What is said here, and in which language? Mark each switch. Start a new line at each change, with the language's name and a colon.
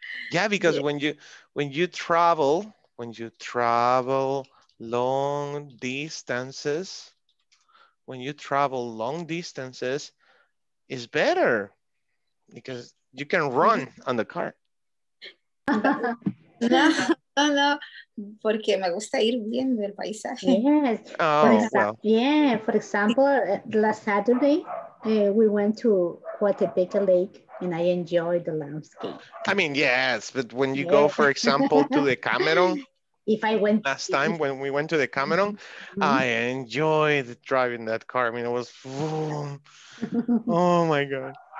English: Yeah, because when you travel long distances, it's better because you can run on the car.
Spanish: No, porque me gusta ir viendo el paisaje.
English: Yes. For example, last Saturday, we went to Coatepeque Lake and I enjoyed the landscape. I mean, yes, but when you go, for example, to the Cameroon, when we went to the Cameroon, mm-hmm. I enjoyed driving that car. I mean, it was, oh my God.